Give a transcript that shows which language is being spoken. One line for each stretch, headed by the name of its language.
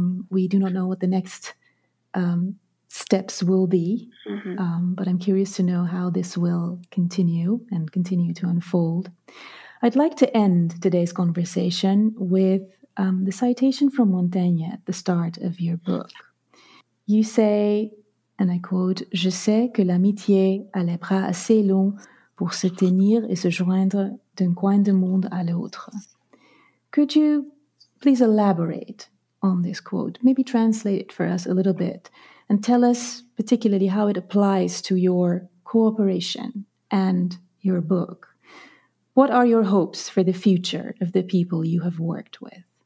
English: We do not know what the next steps will be, mm-hmm. But I'm curious to know how this will continue to unfold. I'd like to end today's conversation with the citation from Montaigne at the start of your book. You say, and I quote,
French: "Je sais que l'amitié a les bras assez longs pour se tenir et se joindre d'un coin du monde à l'autre."
English: Could you please elaborate on this quote? Maybe translate it for us a little bit. And tell us particularly how it applies to your cooperation and your book. What are your hopes for the future of the people you have worked with?